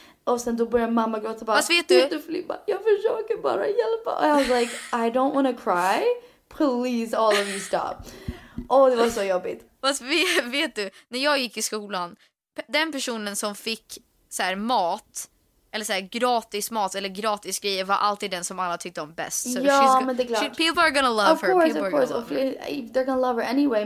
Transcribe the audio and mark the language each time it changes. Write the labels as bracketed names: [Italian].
[Swedish] Och sen då börjar mamma gråta bara. Vad vet du? Du Filippa, jag försöker bara hjälpa. Och jag var like, [English] I don't wanna cry. Please, all of you stop. [Swedish] Och det var så jobbigt. Vet du, när jag gick i skolan, den personen som fick så här mat eller så här gratis mat eller gratis grejer var alltid den som alla tyckte om bäst. So ja, men det är klart. [English] People are gonna love her. Of course. They're gonna love her anyway.